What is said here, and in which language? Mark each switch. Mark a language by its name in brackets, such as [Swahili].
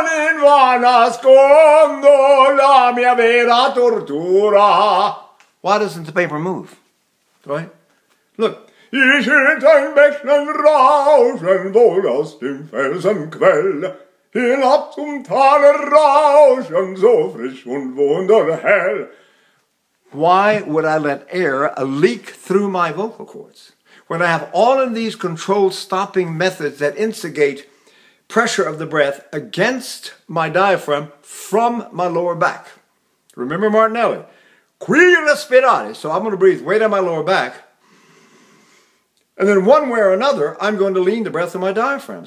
[Italian] In vano nascondo la mia vera tortura. [English] Why doesn't the paper move? Right? Look. [German] Ich hielt ein Bächlein rauschen, wohl aus dem Felsenquell, hinab zum Tal rauschen, so frisch und wunderhell. [English] Why would I let air leak through my vocal cords when I have all of these controlled stopping methods that instigate pressure of the breath against my diaphragm from my lower back? Remember Martinelli. [Italian] Qui respirare. [English] So I'm going to breathe way down my lower back. And then one way or another, I'm going to lean the breath of my diaphragm.